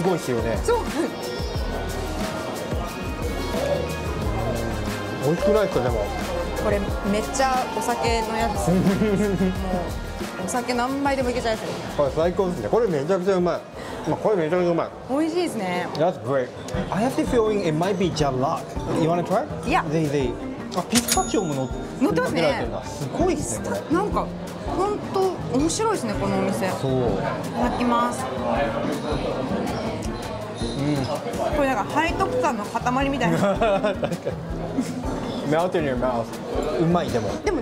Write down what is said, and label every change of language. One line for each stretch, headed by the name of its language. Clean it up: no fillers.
Japanese: ごいですよね。そう、美味しくないですか。でもこれめっちゃお酒のやつ。もうお酒何杯でもいけちゃいますね。これ最高ですね。これめちゃくちゃうまい、まあ、これめちゃくちゃうまい。美味しいですね。
English: That's great. I have the feeling it might be jalak. You wanna try? Yeah.
Japanese: ぜひぜひ。あ、ピスタチオも乗ってますね。すごいですねこれ。なんか本当面白いですねこのお店。そう、いただきます。うん、これなんか背徳感の塊みたいな。確かに。
English: Melt in your mouth.
Japanese: うまい。でも